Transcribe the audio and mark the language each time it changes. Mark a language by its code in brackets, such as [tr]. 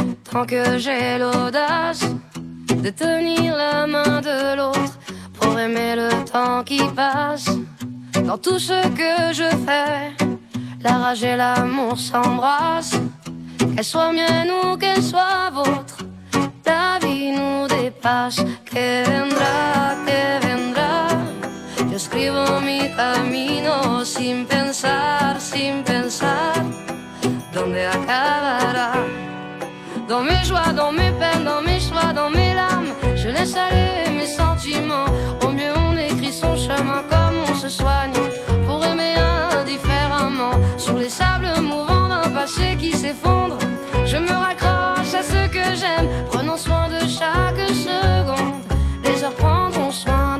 [fr] Tant que j'ai l'audace de tenir la main de l'autre pour aimer le temps qui passe. Dans tout ce que je fais, la rage et l'amour s'embrassent. Qu'elle soit mienne ou qu'elle soit vôtre, ta vie nous dépasse. [es] Que vendra, que vendra. Yo escribo mi camino sin pensar, sin pensar. Dónde acabará. [fr] Dans mes joies, dans mes peines, dans mes choix, dans mes larmes, je laisse aller mes sentiments. Au mieux on écrit son chemin comme on se soigne, pour aimer indifféremment. Sur les sables mouvants d'un passé qui s'effondre, je me raccroche à ce que j'aime. Prenons soin de chaque seconde, les heures prendront soin.